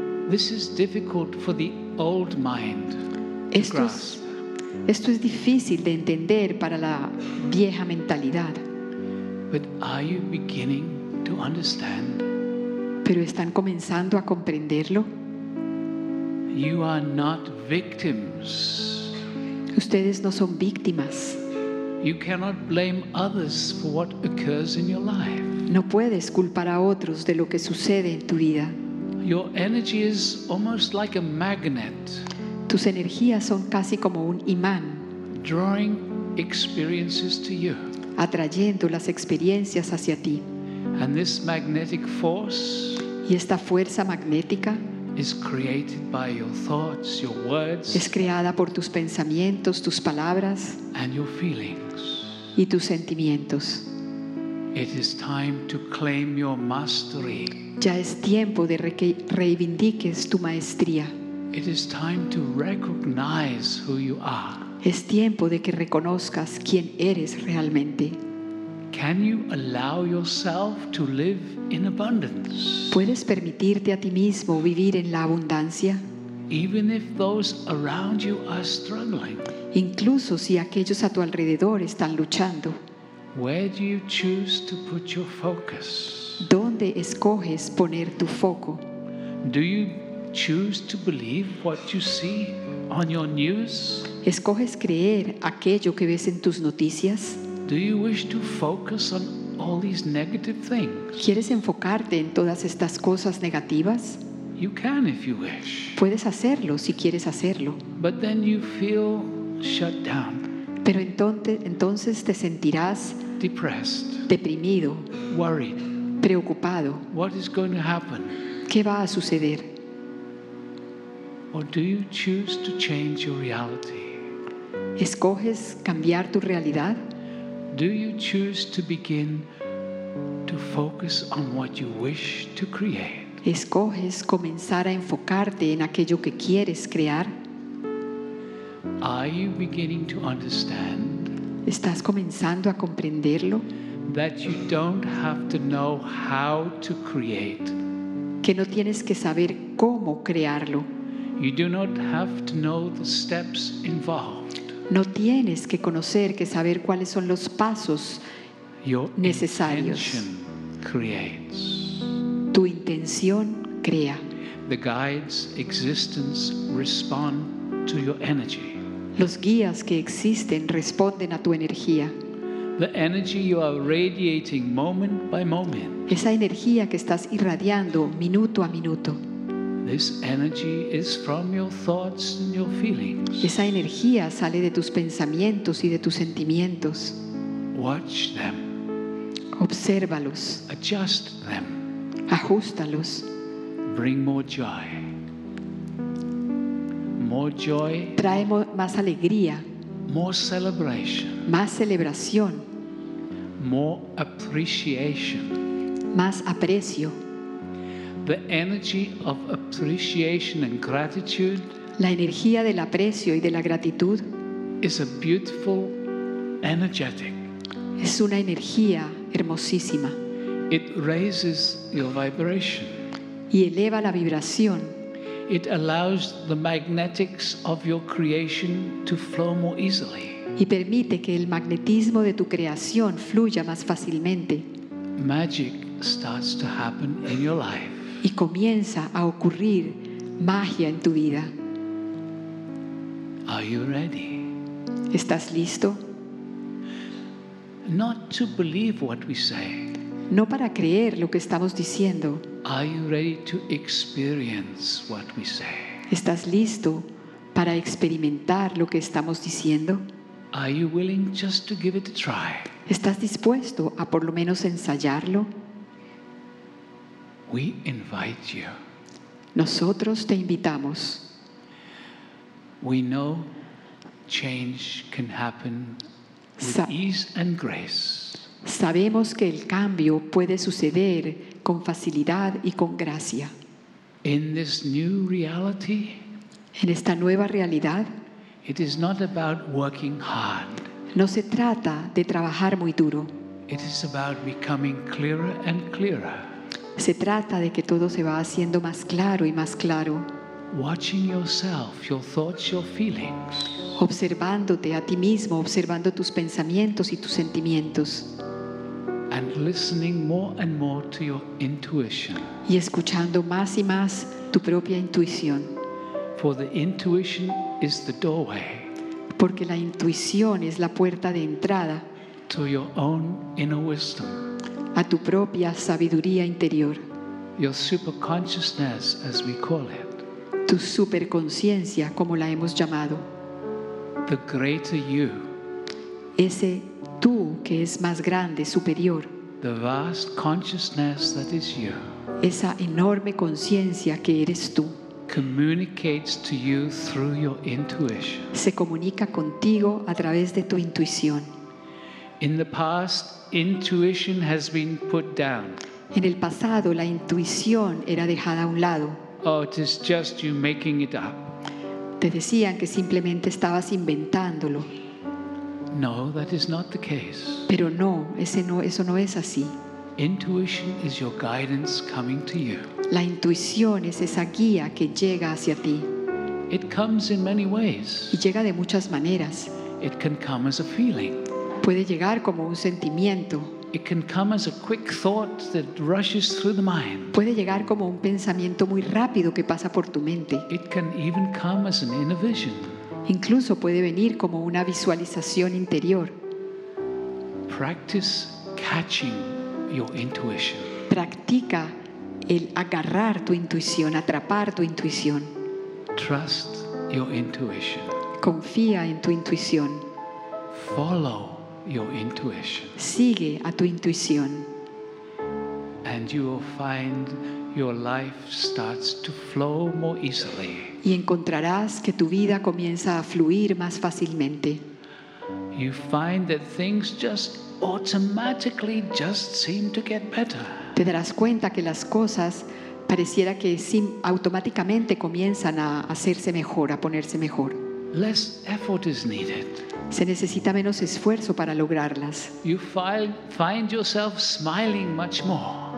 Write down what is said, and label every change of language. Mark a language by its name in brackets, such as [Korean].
[English] This is difficult for the old mind to grasp. [Spanish] Esto es difícil de entender para la vieja mentalidad. [English] But are you beginning to understand? [Spanish] ¿Pero están comenzando a comprenderlo? [English] You are not victims. [Spanish] Ustedes no son víctimas. [English] You cannot blame others for what occurs in your life. [Spanish] No puedes culpar a otros de lo que sucede en tu vida. [English] Your energy is almost like a magnet. [Spanish] Tus energías son casi como un imán, [English] drawing experiences to you. [Spanish] Atrayendo las experiencias hacia ti. [English] And this magnetic force, [Spanish] y esta fuerza magnética, [English] is created by your thoughts, your words, [Spanish] es creada por tus pensamientos, tus palabras, [English] and your feelings. [Spanish] Y tus sentimientos. [English] It is time to claim your mastery. [Spanish] Ya es tiempo de reivindiques tu maestría. [English] It is time to recognize who you are. [Spanish] Es tiempo de que reconozcas quién eres realmente. [English] Can you allow yourself to live in abundance? [Spanish] ¿Puedes permitirte a ti mismo vivir en la abundancia? [English] Even if those around you are struggling. [Spanish] Incluso si aquellos a tu alrededor están luchando. [English] Where do you choose to put your focus? [Spanish] ¿Dónde escoges poner tu foco? [English] Do you choose to believe what you see on your news? [Spanish] ¿Escoges creer aquello que ves en tus noticias? [English] Do you wish to focus on all these negative things? [Spanish] ¿Quieres enfocarte en todas estas cosas negativas? [English] You can if you wish. [Spanish] Puedes hacerlo si quieres hacerlo. [English] But then you feel shut down. [Spanish] Pero entonces te sentirás [English] depressed. [Spanish] Deprimido. [English] Worried. [Spanish] Preocupado. [English] What is going to happen? [Spanish] ¿Qué va a suceder? [English] Or do you choose to change your reality? [Spanish] ¿Escoges cambiar tu realidad? [English] Do you choose to begin to focus on what you wish to create? [Spanish] ¿Escoges comenzar a enfocarte en aquello que quieres crear? [English] Are you beginning to understand? [Spanish] ¿Estás comenzando a comprenderlo? [English] That you don't have to know how to create. [Spanish] Que no tienes que saber cómo crearlo. [English] You do not have to know the steps involved. [Spanish] No tienes que conocer, que saber cuáles son los pasos necesarios. [English] Your intention creates. [Spanish] Tu intención crea. [English] The guides' existence respond to your energy. [Spanish] Los guías que existen responden a tu energía. [English] The energy you are radiating moment by moment. [Spanish] Esa energía que estás irradiando minuto a minuto. [English] This energy is from your thoughts and your feelings. [Spanish] Esa energía sale de tus pensamientos y de tus sentimientos. [English] Watch them. [Spanish] Obsérvalos. [English] Adjust them. [Spanish] Ajústalos. [English] Bring more joy. More joy. [Spanish] Trae más alegría. [English] More celebration. [Spanish] Más celebración. [English] More appreciation. [Spanish] Más aprecio. [English] The energy of appreciation and gratitude. [Spanish] La energía del aprecio y de la gratitud. [English] Is a beautiful, energetic. [Spanish] Es una energía hermosísima. [English] It raises your vibration. [Spanish] Y eleva la vibración. [English] It allows the magnetics of your creation to flow more easily. [Spanish] Y permite que el magnetismo de tu creación fluya más fácilmente. [English] Magic starts to happen in your life. [Spanish] Y comienza a ocurrir magia en tu vida. [English] Are you ready? [Spanish] ¿Estás listo? [English] Not to believe what we say. [Spanish] No para creer lo que estamos diciendo. [English] Are you ready to experience what we say? [Spanish] ¿Estás listo para experimentar lo que estamos diciendo? [English] Are you willing just to give it a try? [Spanish] ¿Estás dispuesto a por lo menos ensayarlo? [English] We invite you. [Spanish] Nosotros te invitamos. [English] We know change can happen with ease and grace. [Spanish] Sabemos que el cambio puede suceder con facilidad y con gracia. [English] In this new reality, [Spanish] en esta nueva realidad, [English] it is not about working hard. [Spanish] No se trata de trabajar muy duro. [English] It is about becoming clearer and clearer. [Spanish] Se trata de que todo se va haciendo más claro y más claro. [English] Watching yourself, your thoughts, your feelings. [Spanish] Observándote a ti mismo, observando tus pensamientos y tus sentimientos. [English] And listening more and more to your intuition. [Spanish] Y escuchando más y más tu propia intuición. [English] For the intuition is the doorway. [Spanish] Porque la intuición es la puerta de entrada. [English] To your own inner wisdom. [Spanish] A tu propia sabiduría interior. [English] Your superconsciousness, as we call it. [Spanish] Tu superconciencia, como la hemos llamado. [English] The greater you. [Spanish] Ese tú que es más grande, superior. [English] The vast consciousness that is you. [Spanish] Esa enorme conciencia que eres tú. [English] Communicates to you through your intuition. [Spanish] Se comunica contigo a través de tu intuición. [English] In the past, intuition has been put down. [Spanish] En el pasado, la intuición era dejada a un lado. [English] Oh, it is just you making it up. [Spanish] Te decían que simplemente estabas inventándolo. [English] No, that is not the case. [Spanish] Pero no, eso no es así. [English] Intuition is your guidance coming to you. [Spanish] La intuición es esa guía que llega hacia ti. [English] It comes in many ways. [Spanish] Y llega de muchas maneras. [English] It can come as a feeling. [Spanish] Puede llegar como un sentimiento. [English] It can come as a quick thought that rushes through the mind. [Spanish] Puede llegar como un pensamiento muy rápido que pasa por tu mente. [English] It can even come as an inner vision. [Spanish] Incluso puede venir como una visualización interior. [English] Practice catching your intuition. [Spanish] Practica el agarrar tu intuición, atrapar tu intuición. [English] Trust your intuition. [Spanish] Confía en tu intuición. [English] Follow your intuition. [Spanish] Sigue a tu intuición. [English] And you will find your life starts to flow more easily. [Spanish] Y encontrarás que tu vida comienza a fluir más fácilmente. [English] You find that things just automatically just seem to get better. [Spanish] Te darás cuenta que las cosas pareciera que automáticamente comienzan a hacerse mejor, a ponerse mejor. [English] Less effort is needed. [Spanish] Se necesita menos esfuerzo para lograrlas. [English] You find yourself smiling much more.